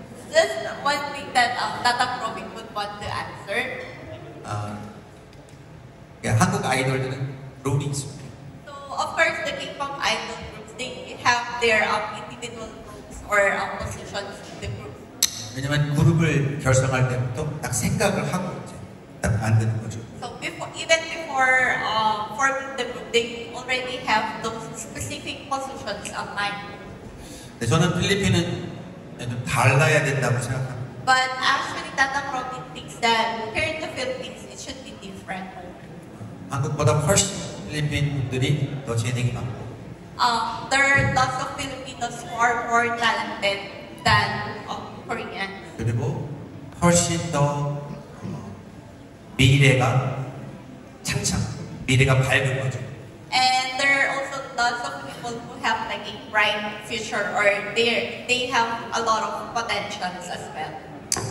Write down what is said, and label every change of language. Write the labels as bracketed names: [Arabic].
[English] Just one thing that Tata Robin would want to answer. Yeah, [Korean] 한국 아이돌들은 롤이 있습니다. [English] So of course, the K-pop idol groups they have their individual roles or positions in the group. [Korean] 왜냐면 그룹을 결성할 때부터 딱 생각을 하고 이제 딱 만드는 거죠. [English] So even before forming the group, they already have those specific positions in mind. [Korean] 네, 저는 필리핀은 좀 달라야 된다고 생각합니다. [English] But actually, Tata probably thinks that here in the Philippines, it should be different. [Korean] 한국보다 훨씬 필리핀 분들이 더 재능이 많고. [English] There are lots of Filipinos who are more talented than Koreans. [Korean] 그리고 훨씬 더 미래가 창창, 미래가 밝은 거죠. [English] And there are also lots of people who have like a bright future or they have a lot of potentials as well.